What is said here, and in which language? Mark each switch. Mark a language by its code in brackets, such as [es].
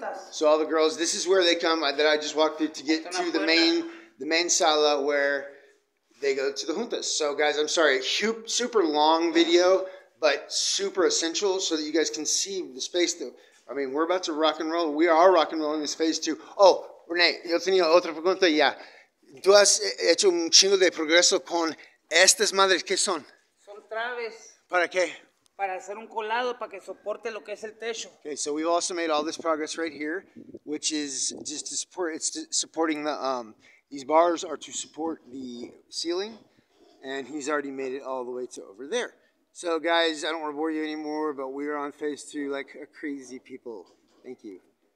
[en] So all the girls, this is where they come that I just walked through to get to the main sala where they go to the juntas. So guys, I'm sorry, super long video, but super essential so that you guys can see the space though. I mean, we're about to rock and roll. We are rock and rolling this phase too. [es] Oh, Renee, yo tenía otra pregunta, yeah. Tú has hecho un chingo de progreso con estas madres, ¿qué son? Son traves. ¿Para qué? Para hacer un colado, para que soporte lo que es el techo. [en] Okay, so we've also made all this progress right here, which is just to support, it's supporting the, these bars are to support the ceiling, and he's already made it all the way to over there. So guys, I don't want to bore you anymore, but we are on phase two like crazy people. Thank you.